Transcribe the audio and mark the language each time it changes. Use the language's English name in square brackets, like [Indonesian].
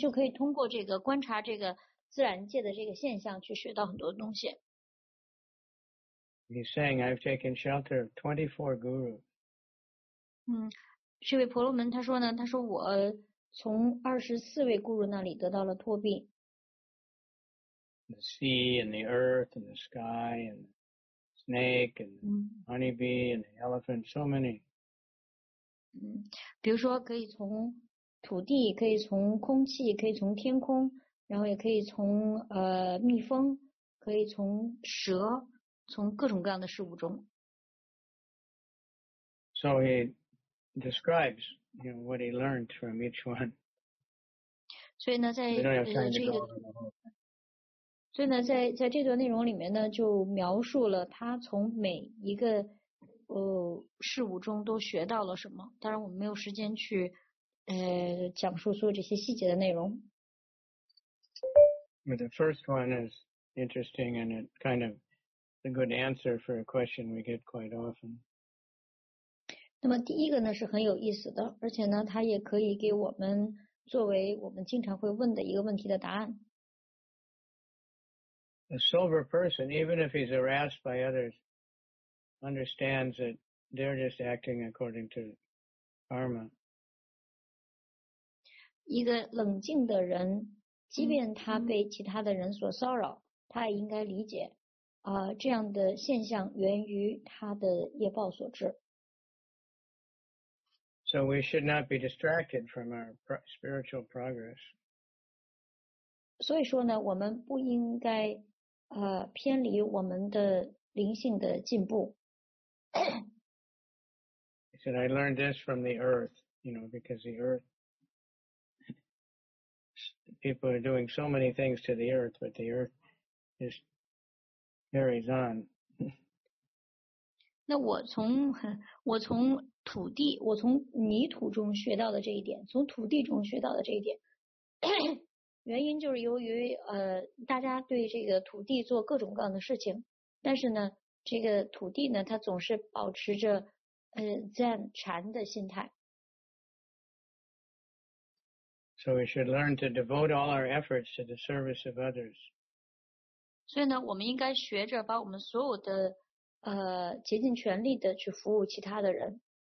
[Chinese] 就可以通过这个观察这个自然界的这个现象去学到很多东西。 [English] He's saying, "I've taken shelter of 24 gurus." [Chinese] 这位婆罗门他说呢，他说我从24位 guru 那里得到了托庇。 [English] The sea and the earth and the sky and the snake and the honeybee and the elephant, so many. [Chinese] 比如说可以从土地，可以从空气，可以从天空，然后也可以从蜜蜂，可以从蛇，从各种各样的事物中。 [English] So he describes, you know, what he learned from each one. [Chinese] 所以呢，在这个，所以呢，在这段内容里面呢，就描述了他从每一个事物中都学到了什么。当然，我们没有时间去讲述所有这些细节的内容。 [English] But the first one is interesting and it kind of a good answer for a question we get quite often. [Chinese] 那么第一个呢是很有意思的，而且呢它也可以给我们作为我们经常会问的一个问题的答案。 [English] A sober person, even if he's harassed by others, understands that they're just acting according to karma. [Chinese] 一个冷静的人即便他被其他的人所骚扰，他也应该理解这样的现象源于他的业报所致。 [English] So we should not be distracted from our spiritual progress. [Chinese] 所以说呢，我们不应该偏离我们的灵性的进步。 [English] He said, I learned this from the earth, you know, because the earth people are doing so many things to the earth, but the earth just carries on. [Chinese] 那我从土地，我从泥土中学到的这一点，从土地中学到的这一点，原因就是由于大家对这个土地做各种各样的事情，但是呢，这个土地呢，它总是保持着Zen禅的心态。 [English] So we should learn to devote all our efforts to the service of others. [Chinese] 所以呢，我们应该学着把我们所有的竭尽全力的去服务其他的人。